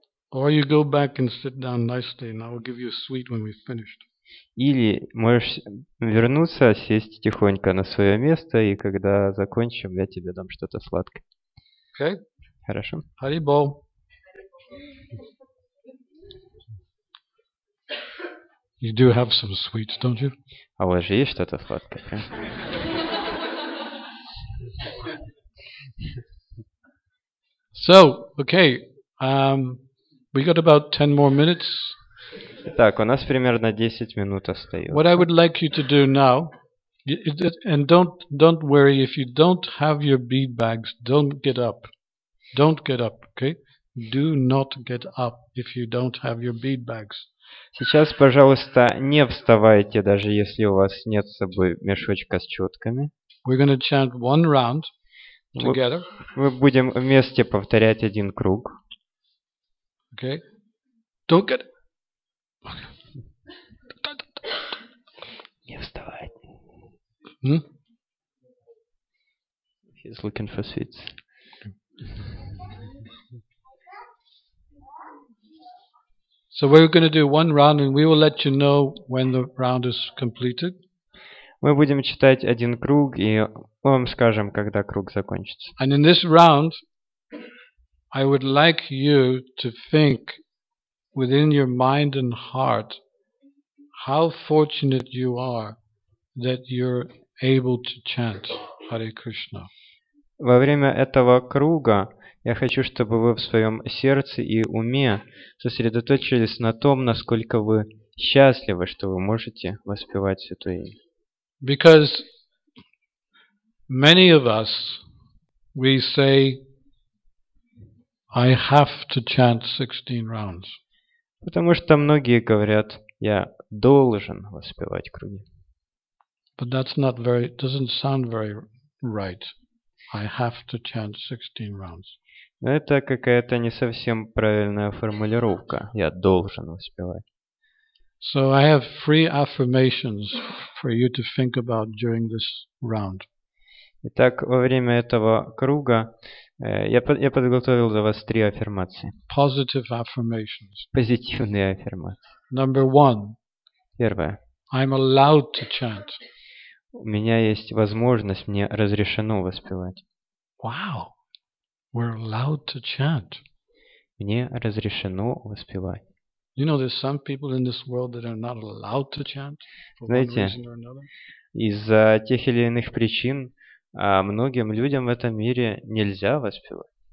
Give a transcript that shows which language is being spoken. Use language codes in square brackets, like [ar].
[en] Or you go back and sit down nicely, and I will give you a sweet when we've finished. [ru] Или можешь вернуться, сесть тихонько на свое место, и когда закончим, я тебе дам что-то сладкое. [en] Okay. [ru] Хорошо. [bn] Hare Bol. [en] You do have some sweets, don't you? [ru] А у вас же есть что-то сладкое? [en] So, okay. We got about 10 more minutes. [ru] Так, у нас примерно 10 минут остается. [en] What I would like you to do now, and don't worry if you don't have your bead bags, don't get up, okay? Do not get up if you don't have your bead bags. [ru] Сейчас, пожалуйста, не вставайте, даже если у вас нет с собой мешочка с четками. [en] We're going to chant one round together. [ru] Мы будем вместе повторять один круг. [en] Okay. Don't get. [ru] Не вставай. [en] He's looking for sweets. So we're going to do one round, and we will let you know when the round is completed. [ru] Мы будем читать один круг, и мы вам скажем, когда круг закончится. [en] And in this round, I would like you to think within your mind and heart how fortunate you are that you're able to chant Hare Krishna. [ru] Во время этого круга я хочу, чтобы вы в своем сердце и уме сосредоточились на том, насколько вы счастливы, что вы можете воспевать Святое Имя. [en] Because many of us, we say, I have to chant 16 rounds. [ru] Потому что многие говорят, я должен воспевать круги. [en] But that's not very, doesn't sound very right. I have to chant 16 rounds. [ru] Но это какая-то не совсем правильная формулировка. Я должен воспевать. [en] So I have three affirmations for you to think about during this round. [ru] Итак, во время этого круга я подготовил для вас три аффирмации. [en] Positive affirmations. [ru] Позитивные аффирмации. [en] Number one. [ru] Первое. [en] I'm allowed to chant. [ru] У меня есть возможность, мне разрешено воспевать. [en] Wow. We're allowed to chant. [ru] Мне разрешено воспевать. [en] You know, there's some people in this world that are not allowed to chant for [ru] Знаете, [en] one reason or another. [ru] Из-за тех или иных причин. А многим людям в этом мире нельзя воспевать.